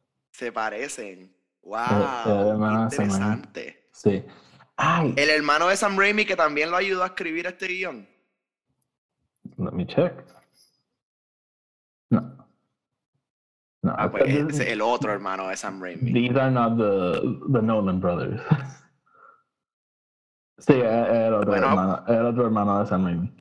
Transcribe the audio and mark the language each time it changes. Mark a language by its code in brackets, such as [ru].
[es] Se parecen. Wow. El hermano interesante. Sí. Ay. El hermano de Sam Raimi, que también lo ayudó a escribir este guión. [en] Let me check. No. [es] Ah, pues es el otro hermano de Sam Raimi. [en] These are not the Nolan brothers. [es] Sí, el otro hermano de Sam Raimi.